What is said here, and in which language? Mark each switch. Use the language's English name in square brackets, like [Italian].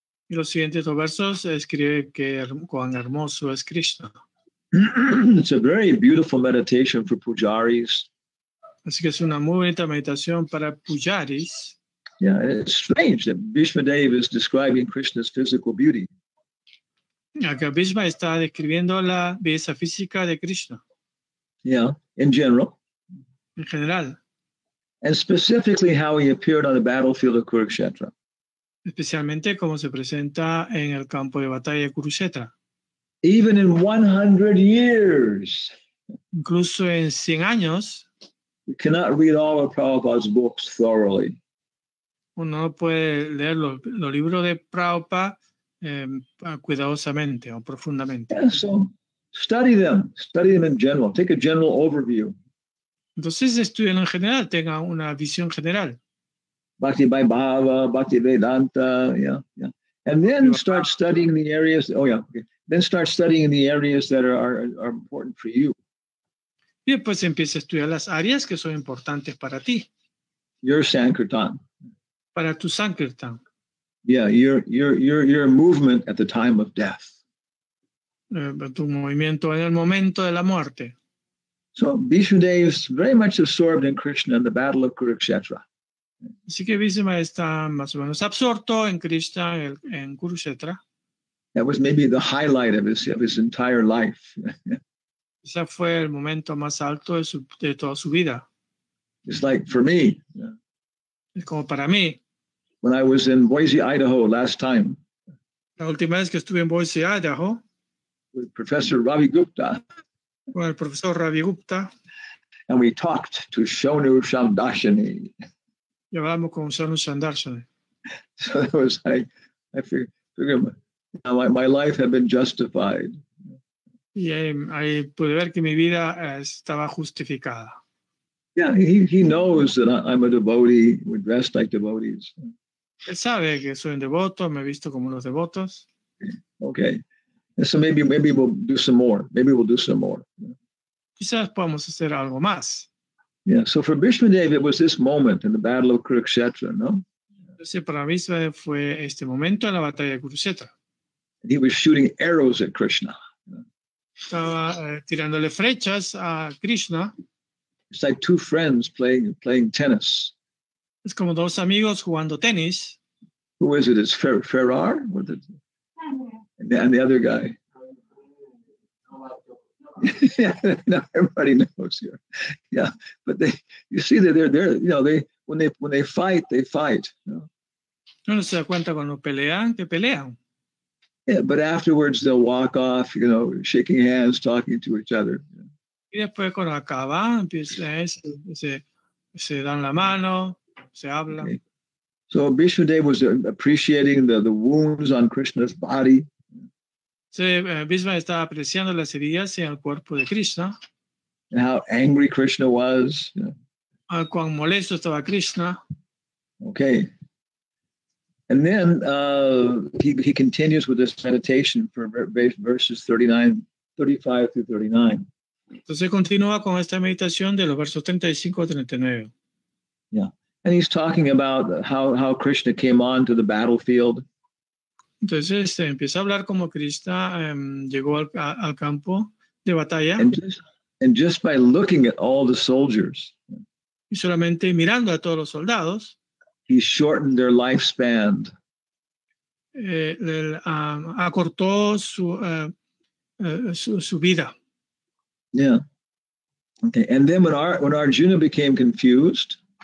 [Spanish] Y los siguientes dos versos escribe que cuán hermoso es Krishna. [English] It's a very beautiful meditation for pujaris. [Spanish] Así que es una muy bonita meditación para pujaris. [English] Yeah, it's strange that Bhishma Dev is describing Krishna's physical beauty. [Spanish] Acá Bhishma está describiendo la belleza física de Krishna. [English] Yeah, in general. [Spanish] En general. [English] And specifically how he appeared on the battlefield of Kurukshetra. [Spanish] Especialmente cómo se presenta en el campo de batalla de Kurukshetra. [English] Even in 100 years. [Spanish] Incluso en 100 años. [English] We cannot read all of Prabhupada's books thoroughly. [Spanish] Uno puede leer los libros de Prabhupada cuidadosamente o profundamente. [English] Yeah, so study them. Study them in general. Take a general overview. [Spanish] Entonces estudien en general, tenga una visión general. [English] Bhakti Bhai Bhava, Bhakti Vedanta, yeah. And then start studying the areas. Oh yeah, okay. Then start studying the areas that are important for you. [Spanish] Y después empieza a estudiar las áreas que son importantes para ti. [English] Your sankirtan. [Spanish] Para tu sankirtan. [English] Yeah, your movement at the time of death. [Spanish] Tu movimiento en el momento de la muerte. [English] So Bhishmadev is very much absorbed in Krishna in the battle of Kurukshetra. [Spanish] Así que Bhishma está más o menos absorto en Krishna en Kurukshetra. [English] That was maybe the highlight of his entire life. [Spanish] Ese fue el momento más alto de toda su vida. [English] It's like for me. [Spanish] Es como para mí. [English] When I was in Boise, Idaho last time. [Spanish] La última vez que estuve en Boise, Idaho. [English] With Professor Ravi Gupta. [Spanish] Con el profesor Ravi Gupta. [English] And we talked to Shonu Shandarshani. [Spanish] Y hablamos con Shonu Shandarshani. [English] So that was, I figured my life had been justified. [Spanish] Y ahí pude ver que mi vida estaba justificada. [English] Yeah, he knows that I'm a devotee, we're dressed like devotees. [Spanish] Él sabe que soy un devoto, me he visto como los devotos. [English] Okay. And so maybe we'll do some more. Maybe we'll do some more. [Spanish] Quizás podamos hacer algo más. [English] Yeah, so for Bhishmadev, it was this moment in the battle of Kurukshetra, no? [Spanish] Entonces para Bhishmadev fue este momento en la batalla de Kurukshetra. [English] And he was shooting arrows at Krishna. [Spanish] Estaba tirándole flechas a Krishna. [English] It's like two friends playing tennis. [Spanish] Es como dos amigos jugando tenis. [English] Who is it? It's Ferrar? And the other guy. No, everybody knows here. Yeah, but you see that they're you know, when they fight, they fight. [Spanish] No, no se da cuenta cuando pelean, que pelean. [English] Yeah, but afterwards they'll walk off, you know, shaking hands, talking to each other. [Spanish] Y después cuando acaban, empiezan, se dan la mano, se hablan. [English] Okay. So Bhishmadev was appreciating the wounds on Krishna's body. [Spanish] So, Bhishma estaba apreciando las heridas en el cuerpo de Krishna. [English] And how angry Krishna was. [Spanish] Cuán molesto estaba Krishna. [English] Okay. And then he continues with this meditation for verses 35 through 39. [Spanish] Entonces continúa con esta meditación de los versos 35 a 39. [English] Yeah. And he's talking about how Krishna came on to the battlefield. [Spanish] Entonces empieza a hablar cómo Krishna llegó al campo de batalla. [English] And just by looking at all the soldiers. [Spanish] Y solamente mirando a todos los soldados. [English] He shortened their lifespan. [Spanish] Acortó su vida. [English] Yeah. Okay. And then when Arjuna became confused.